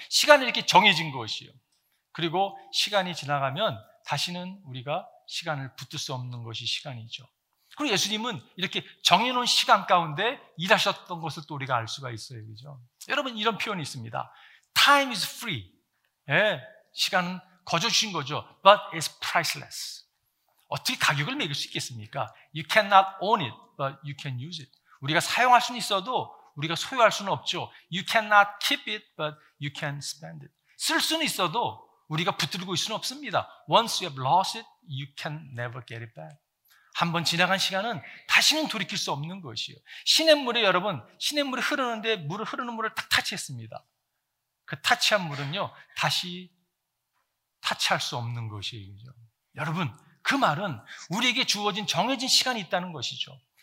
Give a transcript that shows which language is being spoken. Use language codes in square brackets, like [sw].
[ko] 시간이 이렇게 정해진 것이요. 그리고 시간이 지나가면 다시는 우리가 시간을 붙들 수 없는 것이 시간이죠. 그리고 예수님은 이렇게 정해놓은 시간 가운데 일하셨던 것을 또 우리가 알 수가 있어요. 그죠? 여러분 이런 표현이 있습니다. [en] Time is free. [ko] 예, 시간은 거저 주신 거죠. [en] But it's priceless. [ko] 어떻게 가격을 매길 수 있겠습니까? [en] You cannot own it, but you can use it. [ko] 우리가 사용할 수는 있어도 우리가 소유할 수는 없죠. [en] You cannot keep it, but you can spend it. [ko] 쓸 수는 있어도 우리가 붙들고 있을 수는 없습니다. [en] Once you have lost it, you can never get it back. [ko] 한번 지나간 시간은 다시는 돌이킬 수 없는 것이에요. 시냇물이 여러분, 시냇물이 흐르는데 물을 흐르는 물을 탁 터치했습니다. 그 터치한 물은요, 다시 터치할 수 없는 것이에요. 그렇죠? 여러분, 그 말은 우리에게 주어진 정해진 시간이 있다는 것이죠.